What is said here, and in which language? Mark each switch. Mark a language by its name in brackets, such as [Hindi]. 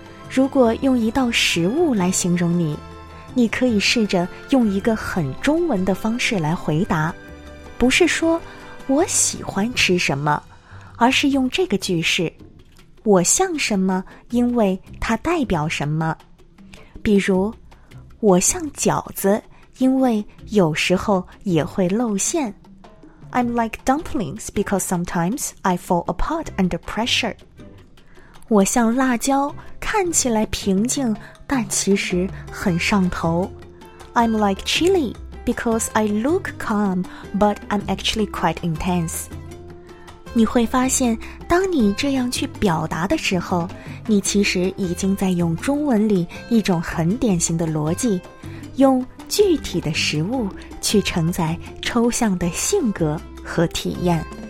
[Chinese] 如果用一道食物来形容你，你可以试着用一个很中文的方式来回答，不是说我喜欢吃什么，而是用这个句式，我像什么，因为它代表什么。比如，我像饺子，因为有时候也会露馅。 [English] I'm like dumplings because sometimes I fall apart under pressure. [Chinese] 我像辣椒，看起来平静，但其实很上头。 [English] I'm like chili because I look calm, but I'm actually quite intense. [Chinese] 你会发现，当你这样去表达的时候，你其实已经在用中文里一种很典型的逻辑，用具体的食物去承载抽象的性格和体验。